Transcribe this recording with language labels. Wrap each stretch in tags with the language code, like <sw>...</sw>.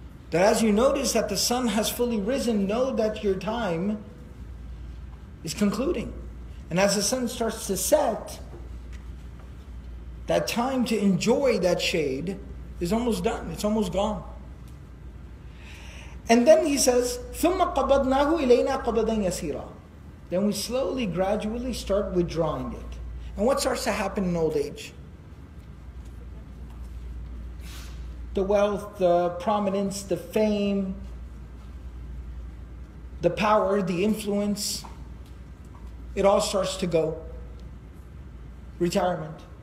<en>That as you notice that the sun has fully risen, know that your time is concluding. And as the sun starts to set, that time to enjoy that shade is almost done, it's almost gone.</en> <ar>And then he says, ثُمَّ قَبَضْنَاهُ إِلَيْنَا قَبَضًا يَسِيرًا.</ar> <en>Then we slowly, gradually start withdrawing it. And what starts to happen in old age? The wealth, the prominence, the fame, the power, the influence, it all starts to go. Retirement.</en>